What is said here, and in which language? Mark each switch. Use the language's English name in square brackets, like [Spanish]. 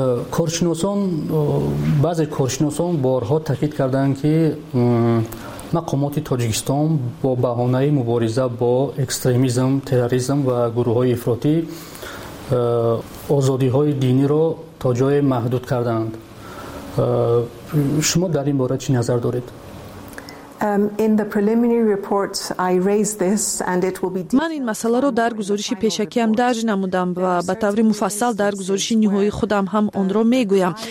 [Persian] کارشناسان، بعضی کارشناسان بارها تاکید کردند که مقامات تاجیکستان با بهانه مبارزه با اکستریمیسم، تروریسم و گروه های افراطی آزادی های دینی را تا جای محدود کردند. شما در این باره چی نظر دارید؟ [English] In the preliminary reports I raised this and it will be deep. [Persian] من این مساله رو در گزارش پیشکیم درج نمودم و به طور مفصل در گزارش نهایی خودم هم اون رو میگویم.